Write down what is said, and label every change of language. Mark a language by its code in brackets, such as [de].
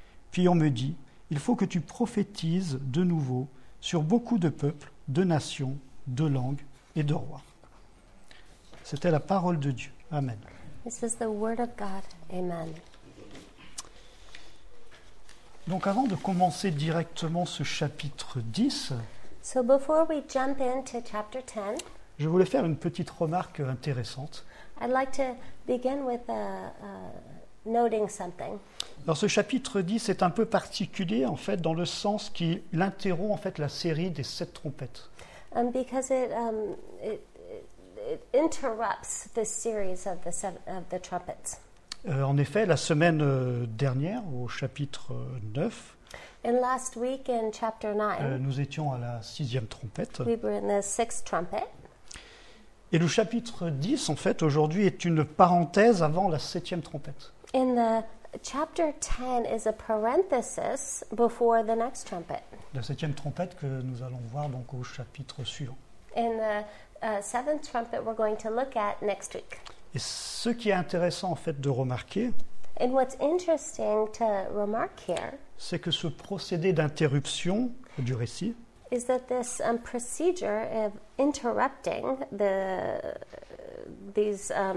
[fr] Puis on me dit, il faut que tu prophétises de nouveau sur beaucoup de peuples, de nations, de langues et de rois. C'était la parole de Dieu. Amen. [en] This is the word of God. Amen. [fr] Donc avant de commencer directement ce chapitre 10, [en] so before we jump into chapter 10, [fr] je voulais faire une petite remarque intéressante. [en] I'd like to begin with noting something. [fr] Alors ce chapitre 10 est un peu particulier en fait dans le sens qu'il interrompt en fait la série des sept trompettes. [en] Because it interrupts the series of the trumpets. [fr] En effet, la semaine dernière, au chapitre 9, [en] and last week in chapter 9, [fr] nous étions à la sixième trompette. [en] We were in the sixth trumpet. [fr] Et le chapitre 10, en fait, aujourd'hui, est une parenthèse avant la septième trompette. [en] And the chapter 10 is a parenthesis before the next trumpet. [fr] La septième trompette que nous allons voir donc au chapitre suivant. [en] And the seventh trumpet we're going to look at next week. [fr] Et ce qui est intéressant en fait de remarquer, [en] and what's interesting to remark here, [fr] c'est que ce procédé d'interruption du récit [en] is that this procedure of interrupting the this